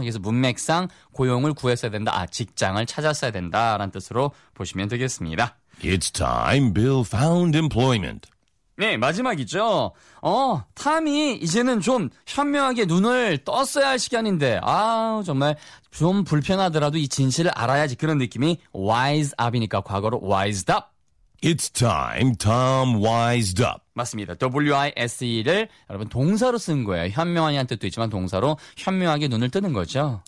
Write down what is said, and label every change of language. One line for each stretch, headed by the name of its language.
Korean: 그래서 문맥상 고용을 구했어야 된다. 아, 직장을 찾았어야 된다라는 뜻으로 보시면 되겠습니다.
English: It's time Bill found employment.
Korean: 네, 마지막이죠. 탐이 이제는 좀 현명하게 눈을 떴어야 할 시간인데 아, 정말 좀 불편하더라도 이 진실을 알아야지 그런 느낌이 wise up이니까 과거로 wised up.
English: It's time Tom wised up.
Korean: 맞습니다. W-I-S-E를 여러분 동사로 쓴 거예요. 현명하냐는 뜻도 있지만 동사로 현명하게 눈을 뜨는 거죠.